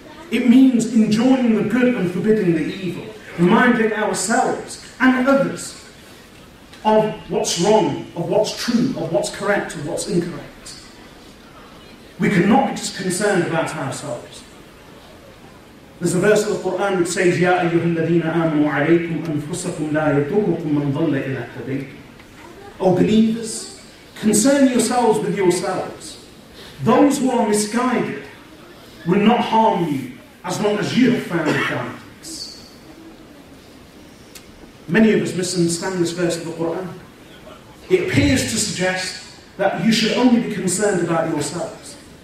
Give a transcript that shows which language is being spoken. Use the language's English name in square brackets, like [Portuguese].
[English] It means enjoying the good and forbidding the evil, reminding ourselves and others of what's wrong, of what's true, of what's correct, of what's incorrect. We cannot be just concerned about ourselves. There's a verse of the Quran which says, [Arabic] يَا أَيُّهَا الَّذِينَ آمَنُوا عَلَيْكُمْ أَنفُسَكُمْ لَا يَدُرُّكُمْ مَنْ ظَلَّ إِلَىٰ اهْتَدَيْتُمْ. [English] O believers, concern yourselves with yourselves. Those who are misguided will not harm you as long as you have found guidance. Many of us misunderstand this verse of the Quran. It appears to suggest that you should only be concerned about yourselves.